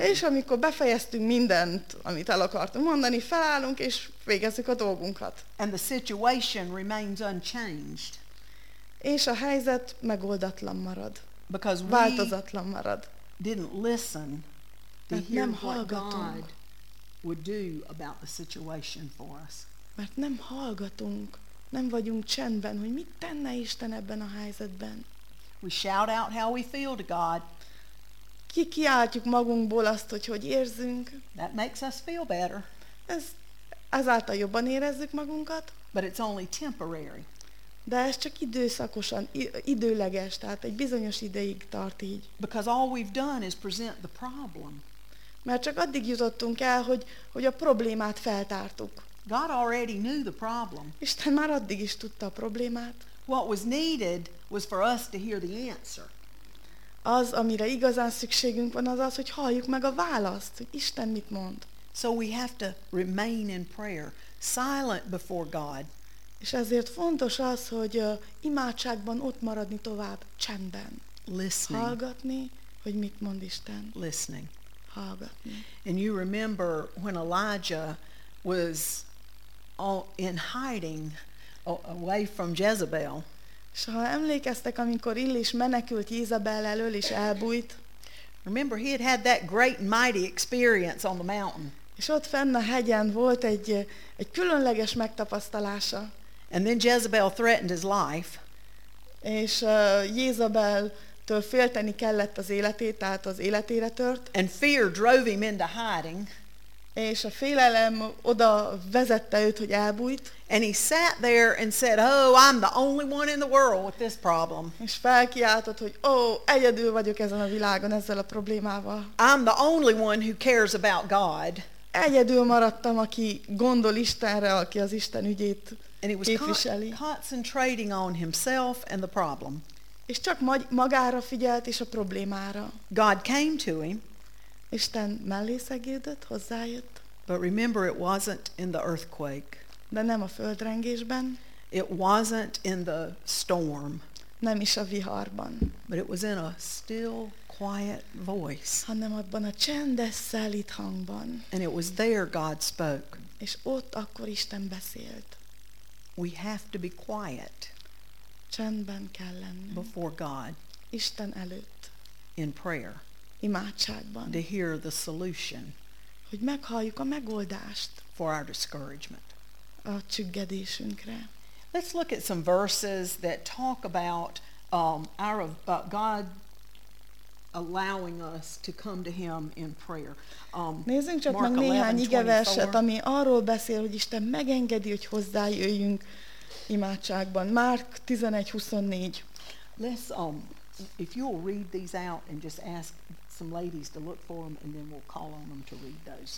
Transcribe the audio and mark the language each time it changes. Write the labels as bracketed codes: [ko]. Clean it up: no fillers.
[hu] És amikor befejeztünk mindent, amit el akartunk mondani, felállunk és végezzük a dolgunkat. [en] And the situation remains unchanged. [hu] És a helyzet megoldatlan marad. [en] Because [hu] változatlan marad. [en] Didn't listen to hear [hu] nem hallgatunk. [en] What God would do about the situation for us. [hu] Mert nem hallgatunk, nem vagyunk csendben, hogy mit tenne Isten ebben a helyzetben. [en] We shout out how we feel to God. [hu] Kikiáltjuk magunkból azt, hogy hogy érzünk. [en] That makes us feel better. [hu] Ez azáltal jobban érezzük magunkat. [en] But it's only temporary. [hu] De ez csak időszakosan, időleges, tehát egy bizonyos ideig tart így. [en] Because all we've done is present the problem. [hu] Mert csak addig jutottunk el, hogy, hogy a problémát feltártuk. [en] God already knew the problem. [hu] Isten már addig is tudta a problémát. [en] What was needed was for us to hear the answer. [hu] Az, amire igazán szükségünk van, az az, hogy halljuk meg a választ, hogy Isten mit mond. [en] So we have to remain in prayer, silent before God. [hu] És ezért fontos az, hogy imádságban ott maradni tovább, csendben. [en] Listening. [hu] Hallgatni, hogy mit mond Isten. [en] Listening. [hu] Hallgatni. [en] And you remember when Elijah was all in hiding away from Jezebel. [hu] És ha emlékeztek, amikor Illés menekült Jézabel elől és elbújt. [en] Remember he had that great and mighty experience on the mountain. [hu] És ott fenn a hegyen volt egy, egy különleges megtapasztalása. [en] And then Jezebel threatened his life. [hu] És Jézabeltől félteni kellett az életét, tehát az életére tört. [en] And fear drove him into hiding. [hu] És a félelem oda vezette őt, hogy elbújt. [en] And he sat there and said, "Oh, I'm the only one in the world with this problem." [hu] És felkiáltott, hogy ó, egyedül vagyok ezen a világon ezzel a problémával. [en] I'm the only one who cares about God. [hu] Egyedül maradtam, aki gondol Istenre, aki az Isten ügyét. [en] And he was concentrating on himself and the problem. [hu] És csak magára figyelt és a problémára. [en] God came to him. [hu] Isten mellé szegődött, hozzájött. [en] But remember, it wasn't in the earthquake. [hu] De nem a földrengésben. [en] It wasn't in the storm. [hu] Nem is a viharban. [en] But it was in a still, quiet voice. [hu] Hanem abban a csendes, szelíd hangban. [en] And it was there God spoke. [hu] És ott akkor Isten beszélt. [en] We have to be quiet. [hu] Csendben kell lennünk. [en] Before God. [hu] Isten előtt. [en] In prayer. [hu] Imádságban. [en] To hear the solution. [hu] Hogy meghalljuk a megoldást. [en] For our discouragement. [hu] A csüggedésünkre. [en] Let's look at some verses that talk about about God allowing us to come to him in prayer. [hu] Nézzünk csak meg néhány igeverset, ami arról beszél, hogy Isten megengedi, hogy hozzájöjjünk imádságban. [en] Mark 11:24. Let's if you'll read these out and just ask some ladies to look for them and then we'll call on them to read those.